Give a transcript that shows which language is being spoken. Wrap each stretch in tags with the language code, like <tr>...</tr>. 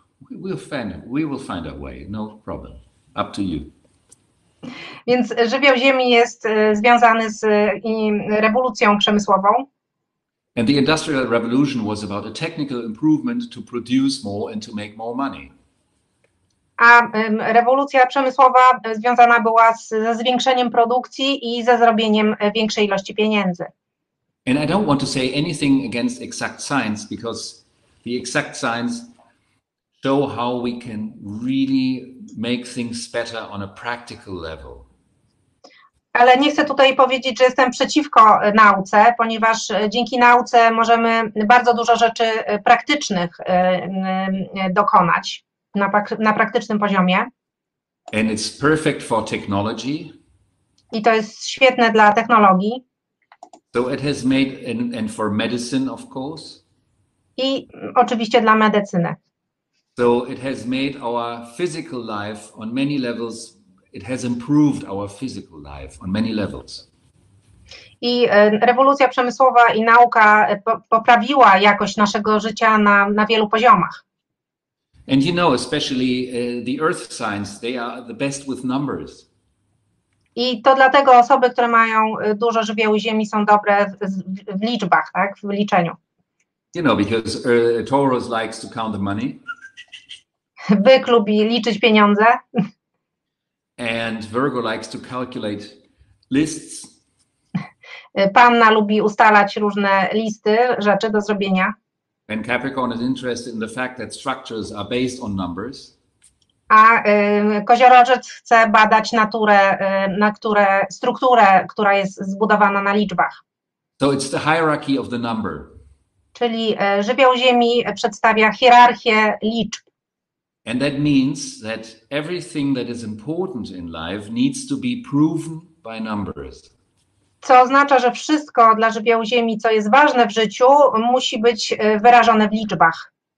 <en>We will find a way, no problem. Up to you.</en> <pl>Więc żywioł ziemi jest związany z rewolucją przemysłową.</pl> <en>And the Industrial Revolution was about a technical improvement to produce more and to make more money.</en> <pl>A rewolucja przemysłowa związana była ze zwiększeniem produkcji i ze zrobieniem większej ilości pieniędzy.</pl> <en>And I don't want to say anything against exact science, because the exact science show how we can really make things better on a practical level.</en> <pl>Ale nie chcę tutaj powiedzieć, że jestem przeciwko nauce, ponieważ dzięki nauce możemy bardzo dużo rzeczy praktycznych dokonać. Na praktycznym poziomie.</pl> <en>And it's perfect for technology.</en> <pl>I to jest świetne dla technologii.</pl> <en>So it has made and for medicine, of course.</en> <pl>I oczywiście dla medycyny.</pl> <en>So it has made our physical life on many levels. It has improved our physical life on many levels.</en> <pl>I rewolucja przemysłowa i nauka poprawiła jakość naszego życia na wielu poziomach.</pl> <en>And you know, especially the earth signs, they are the best with numbers.</en> <pl>I to dlatego osoby, które mają dużo żywiołu ziemi, są dobre w liczbach, tak, w liczeniu.</pl> <en>You know, because Taurus likes to count the money.</en> <pl>Byk lubi liczyć pieniądze.</pl> <en>And Virgo likes to calculate lists.</en> <pl>Panna lubi ustalać różne listy, rzeczy do zrobienia.</pl> <en>And Capricorn is interested in the fact that structures are based on numbers.</en> <pl>A koziorożec chce badać naturę, na które strukturę, która jest zbudowana na liczbach.</pl> <en>So it's the hierarchy of the number.</en> <pl>Czyli żywioł ziemi przedstawia hierarchię liczb.</pl> <en>And that means that everything that is important in life needs to be proven by numbers.</en> <pl>Co oznacza, że wszystko dla żywiołu ziemi, co jest ważne w życiu, musi być wyrażone w liczbach.</pl>